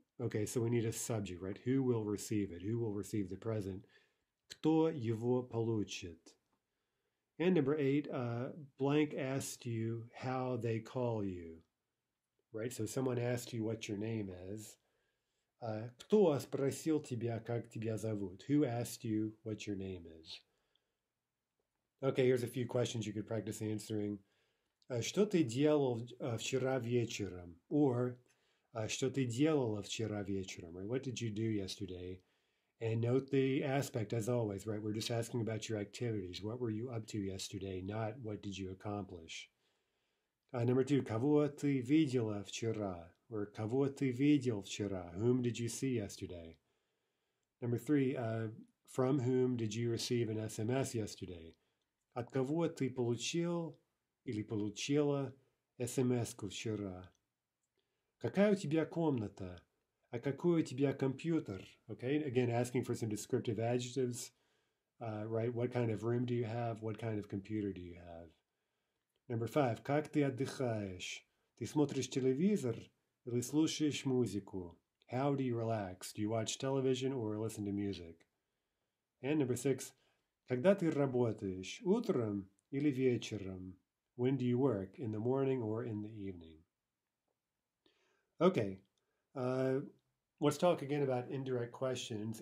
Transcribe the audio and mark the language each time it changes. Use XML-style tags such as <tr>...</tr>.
<en>Okay, so we need a subject, right? Who will receive it? Who will receive the present?</en> <ru>Кто его получит?</ru> <en>And number eight, blank asked you how they call you. Right, so someone asked you what your name is.</en> <ru>Кто спросил тебя, как тебя зовут?</ru> <en>Who asked you what your name is? Okay, here's a few questions you could practice answering.</en> <ru>Что ты делал вчера вечером? Or, что ты делала вчера вечером?</ru> <en>Right, what did you do yesterday? And note the aspect, as always, right? We're just asking about your activities. What were you up to yesterday? Not what did you accomplish? Number two,</en> <ru>кого ты видела вчера?</ru> <en>Or</en> <ru>кого ты видел вчера?</ru> <en>Whom did you see yesterday? Number three, from whom did you receive an SMS yesterday?</en> <ru>От кого ты получил или получила СМС-ку вчера? Какая у тебя комната? А какой у тебя компьютер?</ru> <en>Okay, again, asking for some descriptive adjectives, right? What kind of room do you have? What kind of computer do you have? Number five,</en> <ru>как ты отдыхаешь? Ты смотришь телевизор или слушаешь музыку?</ru> <en>How do you relax? Do you watch television or listen to music? And number six,</en> <ru>когда ты работаешь? Утром или вечером?</ru> <en>When do you work? In the morning or in the evening? Okay, let's talk again about indirect questions.</en>